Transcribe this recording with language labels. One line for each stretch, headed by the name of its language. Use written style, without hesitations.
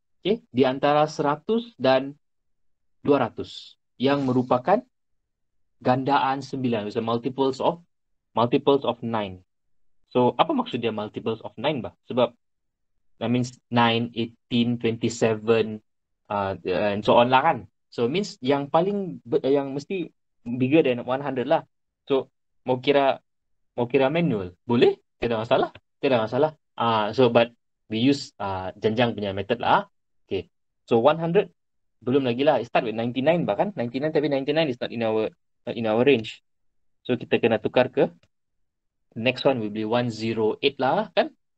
Malay: Okay, di antara 100 dan 200 yang merupakan gandaan 9,
English: so multiples of 9.
Malay: So apa maksud dia multiples of 9 bah?
English: Sebab that means 9, 18, 27 and so on lah kan. So means
Malay: yang paling yang mesti
English: bigger than 100 lah.
Malay: So mau kira manual boleh, tidak masalah.
English: So but we use janjang punya method lah. Okay, so 100
Malay: belum lagi lah,
English: start with 99 bah kan. 99, tapi 99 is not in our range.
Malay: So kita kena tukar ke
English: next one will be 108 lah kan.